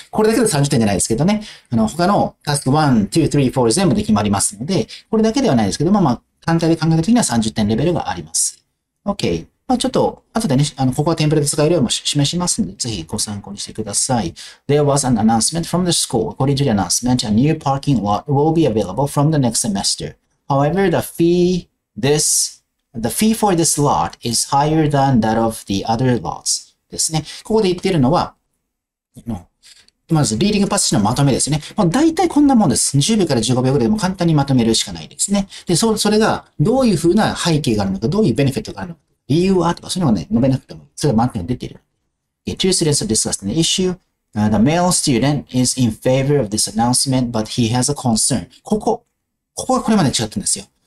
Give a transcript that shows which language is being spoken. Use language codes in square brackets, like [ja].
[ja] これだけで30点じゃないですけどね。他のタスク1、2、3、4全部で決まりますので、これだけではないですけども、まあ、単体で考えた時には30点レベルがあります。 [en] OK。 [ja] まあ、ちょっと、後でね、ここはテンプレで使えるようにも示しますので、ぜひご参考にしてください。 [en] There was an announcement from the school. According to the announcement, a new parking lot will be available from the next semester. However, the fee for this lot is higher than that of the other lots. [ja] ですね。ここで言ってるのは、まず、リーディングパッシュのまとめですね。まあ、大体こんなもんです。10秒から15秒ぐらいでも簡単にまとめるしかないですね。で、それが、どういうふうな背景があるのか、どういうベネフィットがあるのか。理由はとか、そういうのはね、述べなくても、それは満点が出ている。 [en] Two students have discussed an issue. The male student is in favor of this announcement, but he has a concern. [ja] ここはこれまで違ったんですよ。